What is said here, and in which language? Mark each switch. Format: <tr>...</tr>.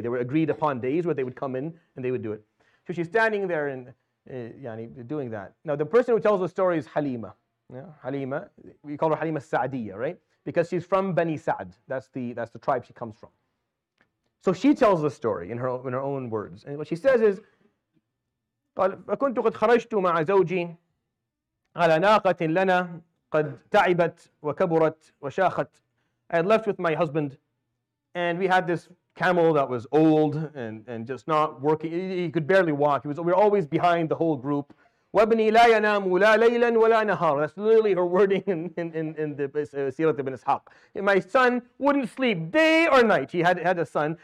<en>They were agreed upon days where they would come in and they would do it. So she's standing there and doing that. Now the person who tells the story is Halima. Yeah, Halima, we call her Halima Sa'diyya, right? Because she's from Bani Sa'd. That's the tribe she comes from. So she tells the story in her own words. And what she says is,</en> <ar>فَكُنْتُ قَدْ خَرَجْتُ مَعَ زَوْجِي عَلَى نَاقَةٍ لَنَا قَدْ تَعِبَتْ وَكَبُرَتْ وَشَاخَتْ.</ar> <en>I had left with my husband, and we had this camel that was old and just not working. He could barely walk. We were always behind the whole group.</en> <ar>وَبْنِي لَا يَنَامُ لَا لَيْلًا وَلَا نَهَارًا.</ar> <en>That's literally her wording in the Sirat ibn Ishaq. My son wouldn't sleep day or night. He had a son.</en>